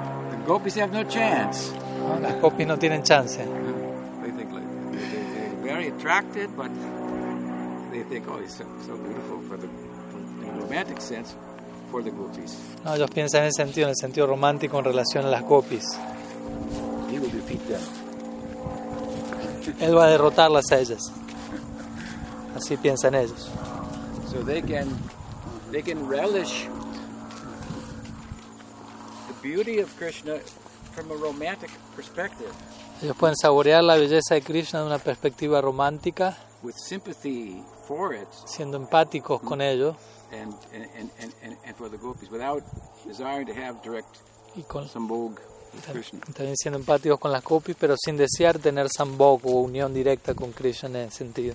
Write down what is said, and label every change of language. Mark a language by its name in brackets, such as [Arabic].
[English] The gopis have no chance. [Spanish] Las gopis no tienen chance. [English] They think they're very attracted, but they think, oh, he's so beautiful for the. Romantic sense for the gopis. [Spanish] No, ellos piensan en el sentido romántico en relación a las gopis. [English] He will defeat them. [Spanish] Él va a derrotarlas a ellas. Así piensan ellos. [English] So they can relish the beauty of Krishna from a romantic perspective. [Spanish] Ellos pueden saborear la belleza de Krishna de una perspectiva romántica. [English] With sympathy for it. [Spanish] Siendo empáticos con ello. [English] And for the gopis, without desiring to have direct sambhog with Krishna. [Spanish] También siendo empáticos con las gopis, pero sin desear tener sambhog o unión directa con Krishna en ese sentido.